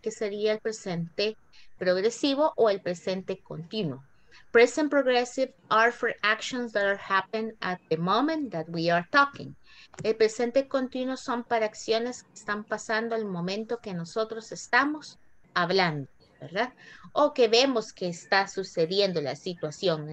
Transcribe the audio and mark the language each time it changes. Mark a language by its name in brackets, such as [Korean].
[Spanish] Que sería el presente progresivo o el presente continuo. [English] Present progressive are for actions that are happening at the moment that we are talking. [Spanish] El presente continuo son para acciones que están pasando al momento que nosotros estamos hablando, ¿verdad? O que vemos que está sucediendo la situación.